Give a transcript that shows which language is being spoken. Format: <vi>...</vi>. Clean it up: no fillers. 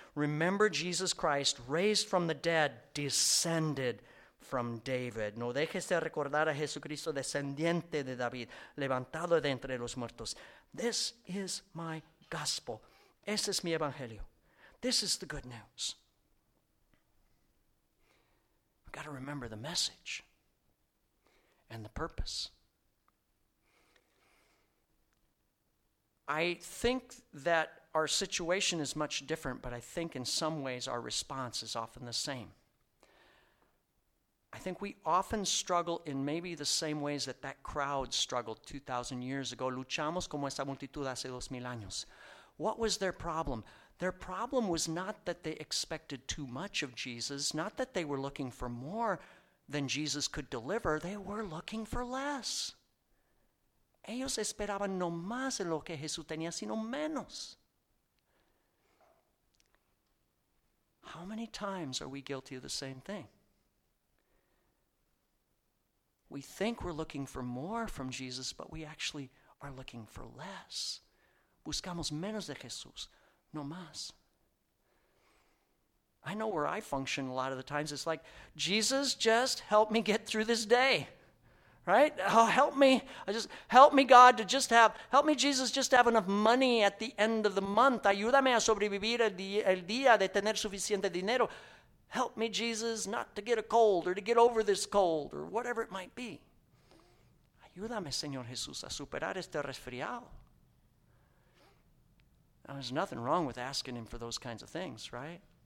<en>Remember Jesus Christ, raised from the dead, descended from David.</en> <es>No dejes de recordar a Jesucristo, descendiente de David, levantado de entre los muertos.</es> <en>This is my gospel.</en> <es>Ese es mi evangelio.</es> <en>This is the good news. We've got to remember the message and the purpose. I think that our situation is much different, but I think in some ways our response is often the same. I think we often struggle in maybe the same ways that that crowd struggled 2,000 years ago.</en> <es>Luchamos como esa multitud hace 2,000 años.</es> <en>What was their problem? Their problem was not that they expected too much of Jesus, not that they were looking for more than Jesus could deliver. They were looking for less.</en> <es>Ellos esperaban no más de lo que Jesús tenía, sino menos.</es> <en>How many times are we guilty of the same thing? We think we're looking for more from Jesus, but we actually are looking for less.</en> <es>Buscamos menos de Jesús, no más.</es> <en>I know where I function a lot of the times. It's like, Jesus, just help me get through this day. Right? Oh, help me. Help me, Jesus, just to have enough money at the end of the month.</en> <es>Ayúdame a sobrevivir el día de tener suficiente dinero.</es> <en>Help me, Jesus, not to get a cold or to get over this cold or whatever it might be.</en> <es>Ayúdame, Señor Jesús, a superar este resfriado.</es> <en>Now, there's nothing wrong with asking him for those kinds of things, right?</en>